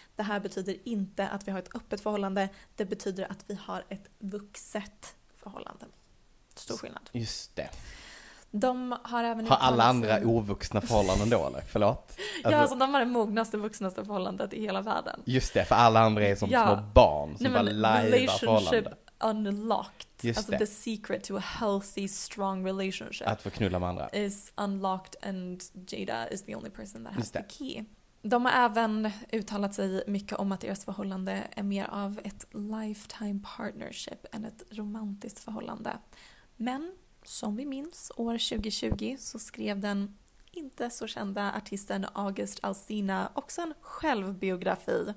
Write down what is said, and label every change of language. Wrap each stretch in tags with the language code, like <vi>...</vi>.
<sv>Det här betyder inte att vi har ett öppet förhållande. Det betyder att vi har ett vuxet förhållande. Stor skillnad. Just det. De har även har alla andra ovuxna förhållanden då eller? Förlåt. Ja, alltså, de har det mognaste vuxnaste förhållandet i hela världen. Just det, för alla andra är som ja. Små barn som bara lajda förhållanden.</sv> <en>Relationship unlocked.</en> <sv>Just alltså det.</sv> <en>The secret to a healthy strong relationship.</en> <sv>Att få knulla med andra.</sv> <en>Is unlocked and Jada is the only person that has the key.</en> <sv>De har även uttalat sig mycket om att deras förhållande är mer av ett</sv> <en>lifetime partnership</en> <sv>än ett romantiskt förhållande. Men som vi minns, år 2020 så skrev den inte så kända artisten August Alsina också en självbiografi.</sv>